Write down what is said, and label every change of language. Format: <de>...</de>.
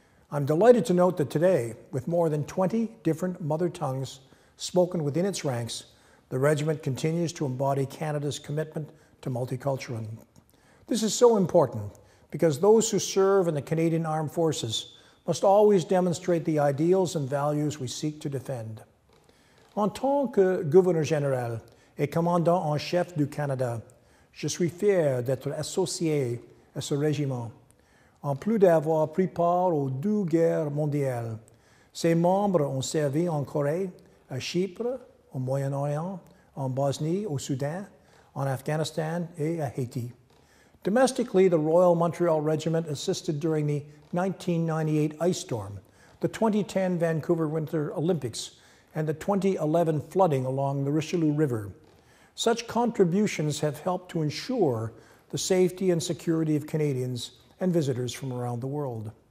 <en>I'm delighted to note that today, with more than 20 different mother tongues spoken within its ranks, the regiment continues to embody Canada's commitment to multiculturalism. This is so important because those who serve in the Canadian Armed Forces must always demonstrate the ideals and values we seek to defend.</en> <fr>En tant que gouverneur général et commandant en chef du Canada, je suis fier d'être associé à ce régiment. En plus d'avoir pris part aux deux guerres mondiales, ses membres ont servi en Corée, à Chypre, au Moyen-Orient, en Bosnie, au Soudan, en Afghanistan et à Haïti.</fr> <en>Domestically, the Royal Montreal Regiment assisted during the 1998 ice storm, the 2010 Vancouver Winter Olympics, and the 2011 flooding along the Richelieu River. Such contributions have helped to ensure the safety and security of Canadians and visitors from around the world.</en>